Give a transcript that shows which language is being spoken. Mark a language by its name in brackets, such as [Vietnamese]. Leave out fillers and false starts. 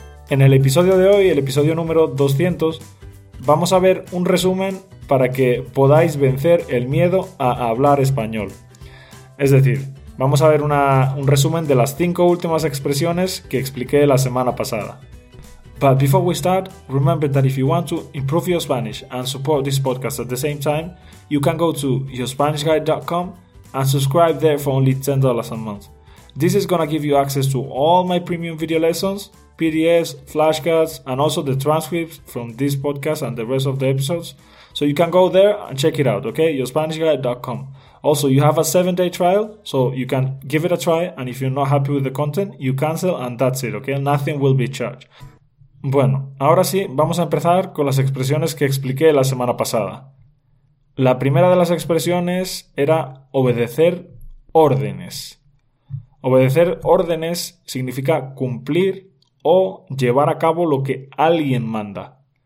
[Spanish] En el episodio de hoy, el episodio número 200, vamos a ver un resumen para que podáis vencer el miedo a hablar español. Es decir, vamos a ver un resumen de las 5 últimas expresiones que expliqué la semana pasada. [English] But before we start, remember that if you want to improve your Spanish and support this podcast at the same time, you can go to yourspanishguide.com and subscribe there for only $10 a month. This is gonna give you access to all my premium video lessons, PDFs, flashcards, and also the transcripts from this podcast and the rest of the episodes. So you can go there and check it out, okay? YourSpanishGuide.com. Also, you have a 7-day trial, so you can give it a try, and if you're not happy with the content, you cancel and that's it, okay? Nothing will be charged. [Spanish] Bueno, ahora sí, vamos a empezar con las expresiones que expliqué la semana pasada. La primera de las expresiones era obedecer órdenes. Obedecer órdenes significa cumplir o llevar a cabo lo que alguien manda.